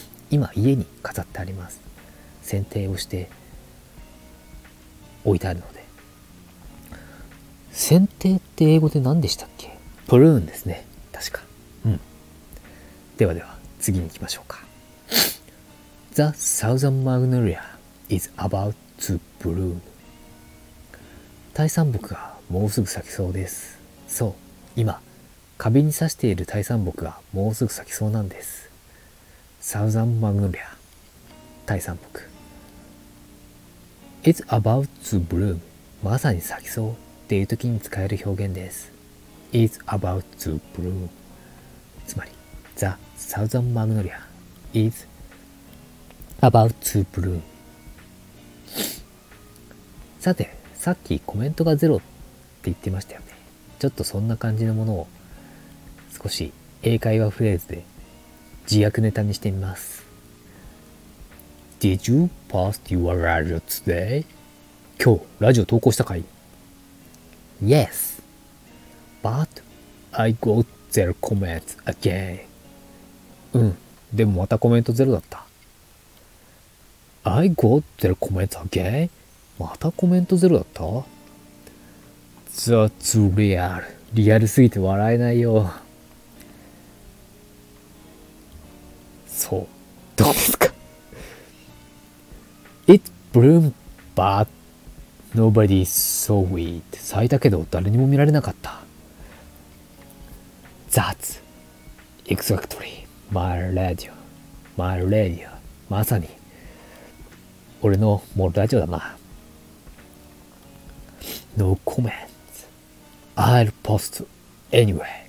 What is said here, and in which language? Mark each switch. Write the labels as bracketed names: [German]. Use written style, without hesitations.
[Japanese] 今家に飾ってあります。剪定をして置いてあるので。剪定って英語で何でしたっけ。プルーンですね、確か。うん。ではでは次に行きましょうか。 [English] The Southern Magnolia is about to bloom. [Japanese] タイ山木がもうすぐ咲きそうです。そう、今花瓶に刺しているタイ山木がもうすぐ咲きそうなんです。 [English] Southern Magnolia、 [Japanese] タイ山木。 [English] It's about to bloom。 [Japanese] まさに咲きそうっていう時に使える表現です。 [English] It's about to bloom。 つまり、The Southern Magnolia is About to bloom。 [Japanese] さてさっきコメントがゼロって言ってましたよね。ちょっとそんな感じのものを少し英会話フレーズで字役ネタにしてみます。 [English] Did you post your radio today? [Japanese] 今日ラジオ投稿したかい。 [English] Yes But I got zero comments again。 [Japanese] うん、でもまたコメントゼロだった。 [English] I got zero comments again? [Japanese] またコメントゼロだった？ [English] That's real. [Japanese] リアルすぎて笑えないよ。そう。どうですか [English] ?It bloomed, but nobody saw it. [Japanese] 咲いたけど誰にも見られなかった。 [English] That's exactly my radio. My radio. まさに。 [Japanese] 俺のもうラジオだな。 [English] No comments. I'll post anyway.